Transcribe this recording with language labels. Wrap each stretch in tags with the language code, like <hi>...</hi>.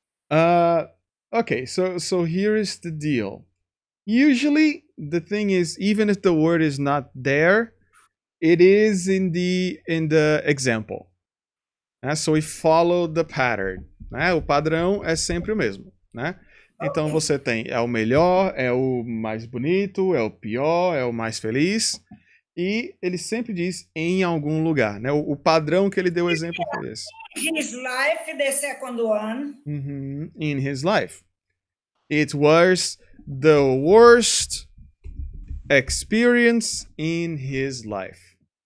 <en>Okay, so here is the deal. Usually, the thing is, even if the word is not there, it is in the example, né? So we follow the pattern,</en> <pt>né? O padrão é sempre o mesmo, né? Então Okay. você tem é o melhor, é o mais bonito, é o pior, é o mais feliz. E ele sempre diz em algum lugar, né? O padrão que ele deu exemplo foi esse.</pt> <en>His life, the second one. In his life. It was the worst experience in his life.</en>